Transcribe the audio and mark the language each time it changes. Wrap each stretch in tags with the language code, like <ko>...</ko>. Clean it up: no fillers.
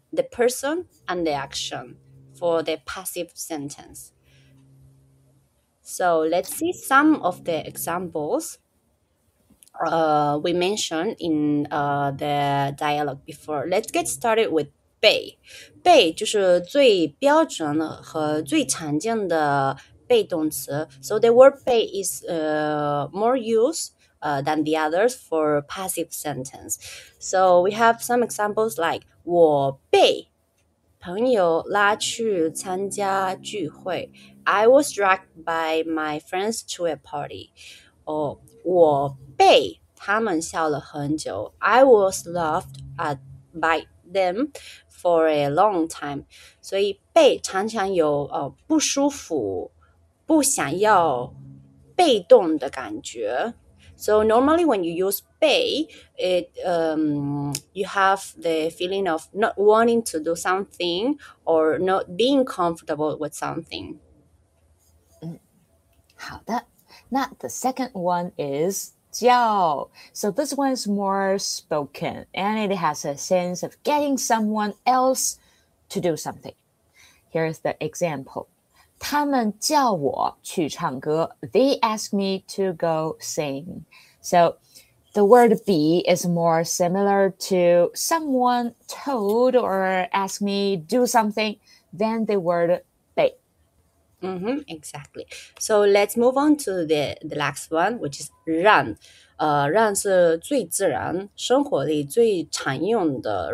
<en>the person and the action for the passive sentence. So let's see some of the examples we mentioned in the dialogue before. Let's get started with被。</en> <zh>被就是最标准和最常见的被动词。</zh> <en>So the word 被 is more used than the others for passive sentence. So we have some examples like</en> <zh>我被朋友拉去参加聚会。</zh> <en>I was dragged by my friends to a party.</en> <zh>我被他们笑了很久。</zh> <en>I was laughed at by them for a long time.</en> <zh>所以被常常有不舒服、不想要、被动的感觉。</zh> <en>So normally when you use 被, it, you have the feeling of not wanting to do something or not being comfortable with something.</en> <zh>好的。那</zh> <en>the second one is 叫。 So this one is more spoken and it has a sense of getting someone else to do something. Here's the example.</en> <zh>他们叫我去唱歌。</zh> <en>They ask me to go sing. So the word be is more similar to someone told or ask me do something than the word be. Mm-hmm, exactly. So let's move on to the last one, which is 让。</en> <zh>让是最自然生活里最常用的。</zh>